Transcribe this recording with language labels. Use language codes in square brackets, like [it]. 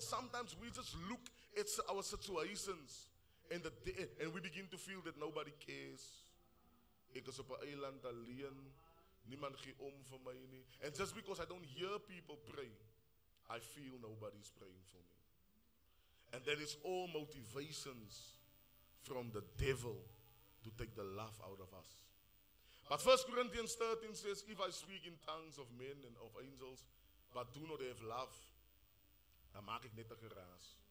[en] Sometimes we just look at our situations and we begin to feel that nobody cares. [af] Ek is op 'n eiland alleen, niemand gee om vir my nie. [en] And just because I don't hear people pray, I feel nobody's praying for me. And that is all motivations from the devil to take the love out of us. But 1 Corinthians 13 says, if I speak in tongues of men and of angels, but do not have love, [af] dan maak ek net 'n geraas.